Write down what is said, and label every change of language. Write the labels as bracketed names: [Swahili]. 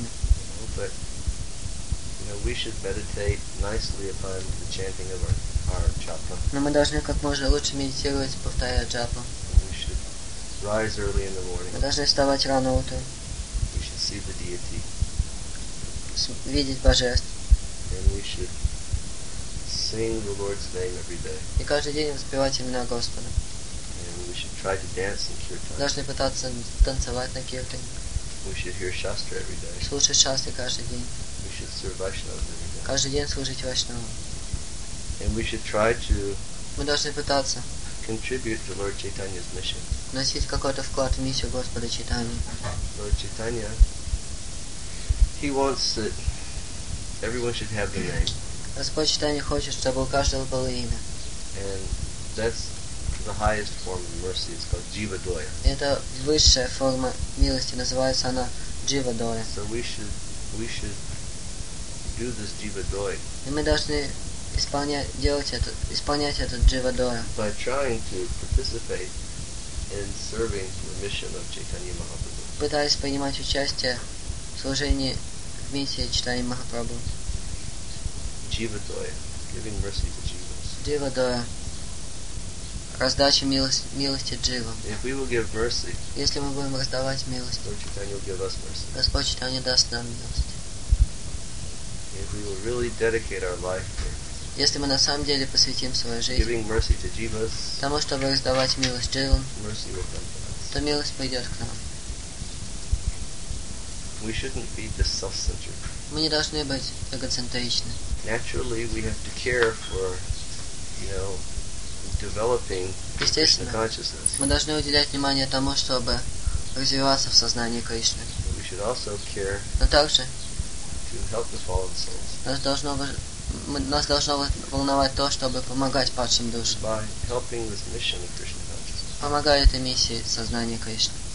[English] No, but, you know, we should meditate nicely upon the chanting of our japa. [Russian] Но мы должны как можно лучше медитировать, повторяя джапу. [English] Rise early in the morning. [Russian] Мы должны вставать рано утром. [English] We should see the deity. [Russian] Видеть божество. [English] And we should sing the Lord's name every day. [Russian] И каждый день воспевать имена Господа. [English] And we should try to dance in kirtan. [Russian] Должны пытаться танцевать на киртане. [English] We should hear shastra every day. [Russian] Слушать шастры каждый день. [English] We should serve Vaishnavas every day. [Russian] Каждый день служить Вайшнаву. [English] And we should try to. [Russian] Мы должны пытаться. [English] Contribute to Lord Chaitanya's mission. [Russian] Носить какой-то вклад в миссию Господа Чайтаньи. [English] Lord Chaitanya, he wants that everyone should have the name. [Russian] Господь Чайтанья хочет, чтобы у каждого было имя. [English] And that's the highest form of mercy. It's called Jiva Doya. [Russian] Это высшая форма милости, называется она Jiva Doya. [English] So we should do this Jiva Doya. [Russian] И мы должны исполнять этот Jiva Doya. [English] By trying to participate in serving the mission of Chaitanya Mahaprabhu. [Russian] Пытаясь принимать участие в служении в миссии Чайтаньи Махапрабху. [English] Jiva Doya, giving mercy to Jivas. [Russian] Jiva Doya, раздача милости Дживам. [English] If we will give mercy, [Russian] если мы будем раздавать милость, [English] Lord Chaitanya will give us mercy. [Russian] Господь Чайтанья даст нам милость. [English] If we will really dedicate our life to. [Russian] Если мы на самом деле посвятим свою жизнь [English] giving mercy to Jivas, [Russian] тому, чтобы раздавать милость Дживам, [English] mercy will come to us. [Russian] То милость пойдет к нам. [English] We shouldn't be this self-centered. [Russian] Мы не должны быть эгоцентричны. [English] Naturally, we have to care for, you know, developing Krishna consciousness. [Russian] Мы должны уделять внимание тому, чтобы развиваться в сознании Кришны. [English] We should also care [Russian] Но также [English] to help the fallen souls. [Russian] Нас должно нас должно волновать то, чтобы помогать падшим душам. [English] By helping this mission of Krishna consciousness. [Russian] Помогая этой миссии сознания Кришны.